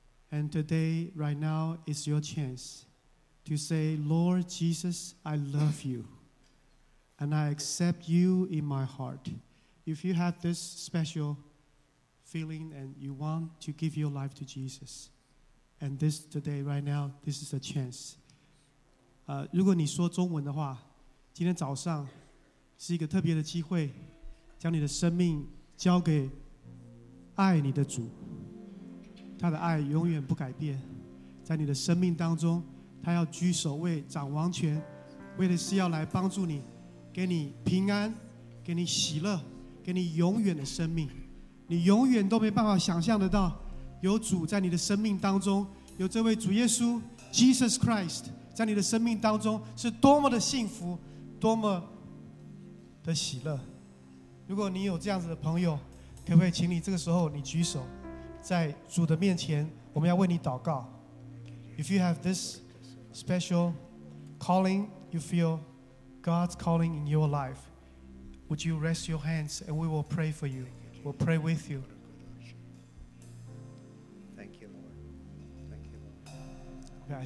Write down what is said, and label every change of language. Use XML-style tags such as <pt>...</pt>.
<en>And today, right now, is your chance to say, Lord Jesus, I love you, and I accept you in my heart. If you have this special feeling and you want to give your life to Jesus, and this today, right now, this is a chance.</en> <zh>如果你说中文的话, 今天早上是一个特别的机会, 将你的生命交给 爱你的主, 祂的爱永远不改变, 在你的生命当中, 祂要居首位, 掌王权, 为的是要来帮助你, 给你平安, 给你喜乐, 给你永远的生命, 你永远都没办法想象得到, 有主在你的生命当中, 有这位主耶稣, Jesus Christ, 在你的生命当中, 是多么的幸福, 多么的喜乐, 如果你有这样子的朋友, 可不可以请你这个时候你举手在主的面前我们要为你祷告。</zh> <en>If you have this special calling, you feel God's calling in your life, would you raise your hands and we will pray for you. We'll pray with you. Thank you, Lord. Thank you, Lord.</en>